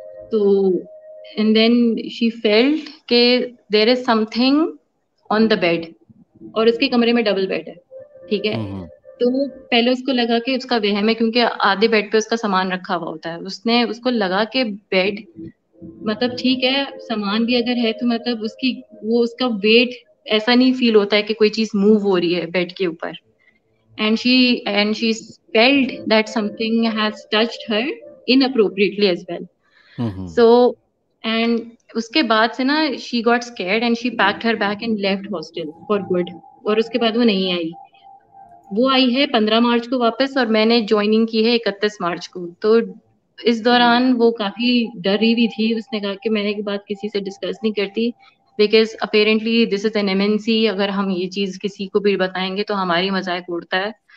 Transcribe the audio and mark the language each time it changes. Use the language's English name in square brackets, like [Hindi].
[Hindi] तो and then she felt के there is something on the bed, और उसके कमरे में डबल बेड है, ठीक है. तो पहले उसको लगा कि उसका वहम है, क्योंकि आधे बेड पे उसका सामान रखा हुआ होता है. उसने उसको लगा कि बेड मतलब ठीक है, सामान भी अगर है तो मतलब उसकी वो उसका वेट ऐसा नहीं फील होता है कि कोई चीज मूव हो रही है बेड के ऊपर. [English] And she felt that something has touched her inappropriately as well. So, and उसके बाद से ना she got scared and she packed her bag and left hostel for good. [Hindi] और उसके बाद वो नहीं आई. वो आई है 15 मार्च को वापस, और मैंने joining की है 31 मार्च को. तो इस दौरान वो काफी डरी हुई थी. उसने कहा कि मैंने ये बात किसी से discuss नहीं करती. Because apparently this is an MNC, अगर हम ये चीज किसी को भी बताएंगे तो हमारी मजाक उड़ता है.